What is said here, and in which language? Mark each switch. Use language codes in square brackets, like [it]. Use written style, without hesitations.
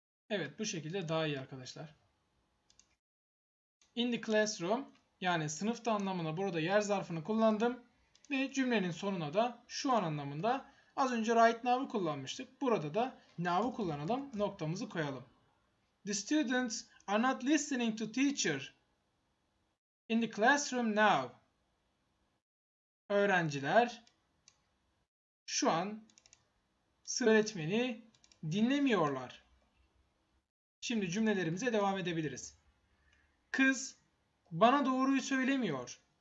[tr] Evet, bu şekilde daha iyi arkadaşlar. [en] In the classroom, [tr] yani sınıfta anlamına burada yer zarfını kullandım. Ve cümlenin sonuna da şu an anlamında az önce right now'u kullanmıştık. Burada da now'u kullanalım, noktamızı koyalım. [en] The students are not listening to teacher in the classroom now. [tr] Öğrenciler şu an öğretmeni dinlemiyorlar. Şimdi cümlelerimize devam edebiliriz. Kız bana doğruyu söylemiyor.